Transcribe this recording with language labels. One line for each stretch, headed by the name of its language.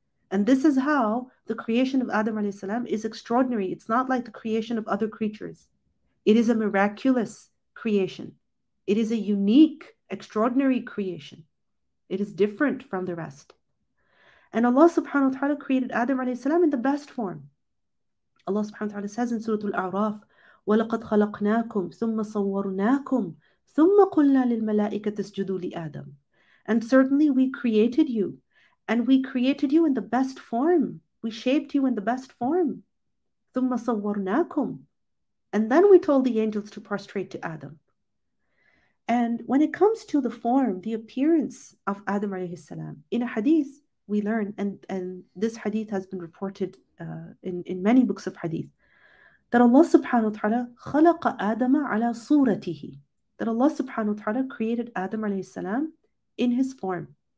English: And this is how the creation of Adam alayhi salam is extraordinary. It's not like the creation of other creatures. It is a miraculous creation. It is a unique, extraordinary creation. It is different from the rest. And Allah subhanahu wa ta'ala created Adam alayhi salam in the best form. Allah subhanahu wa ta'ala says in Surah Al-A'raf,
Arabic: وَلَقَدْ خَلَقْنَاكُمْ ثُمَّ صَوَّرْنَاكُمْ ثُمَّ قُلْنَا لِلْمَلَائِكَةِ اسْجُدُوا لِآدَمْ.
English: And certainly we created you. And we created you in the best form. We shaped you in the best form.
Arabic: ثُمَّ صَوَّرْنَاكُمْ.
English: And then we told the angels to prostrate to Adam. And when it comes to the form, the appearance of Adam alayhi salam, in a hadith we learn, and this hadith has been reported in many books of hadith, that Allah subhanahu wa ta'ala
Arabic: khalaqa Adama ala suratihi,
English: that Allah subhanahu wa ta'ala created Adam alayhi salam in his form.